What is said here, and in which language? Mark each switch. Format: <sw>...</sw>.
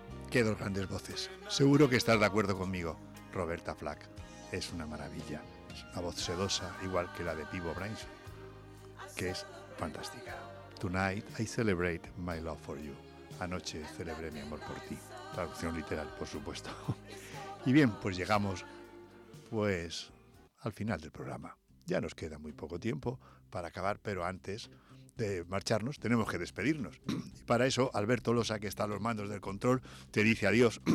<es>Qué dos grandes voces. Seguro que estás de acuerdo conmigo. Roberta Flack es una maravilla. Es una voz sedosa, igual que la de Vivo Bryson, que es fantástica.</es> <en>Tonight I celebrate my love for you.</en> <es>Anoche celebré mi amor por ti. Traducción literal, por supuesto. Y bien, pues llegamos pues al final del programa. Ya nos queda muy poco tiempo para acabar, pero antes de marcharnos, tenemos que despedirnos. Y para eso, Alberto Losa, que está a los mandos del control, te dice adiós.</es>